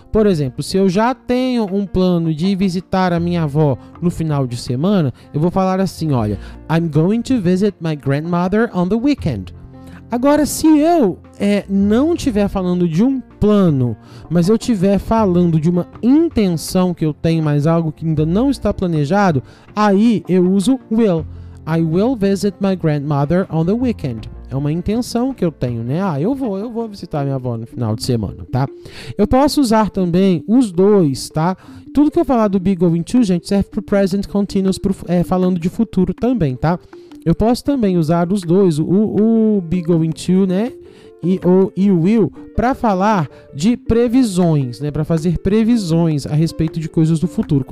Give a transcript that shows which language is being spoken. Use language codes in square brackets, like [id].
[pt] Por exemplo, se eu já tenho um plano de visitar a minha avó no final de semana, eu vou falar assim, olha, [en] I'm going to visit my grandmother on the weekend. [pt] Agora, se eu não estiver falando de um plano, mas eu estiver falando de uma intenção que eu tenho, mas algo que ainda não está planejado, aí eu uso will. [en] I will visit my grandmother on the weekend. [pt] É uma intenção que eu tenho, né? Ah, eu vou visitar minha avó no final de semana, tá? Eu posso usar também os dois, tá? Tudo que eu falar do be going to, gente, serve para o present continuous, falando de futuro também, tá? Eu posso também usar os dois, o be going to, né, e o will, para falar de previsões, né, para fazer previsões a respeito de coisas do futuro.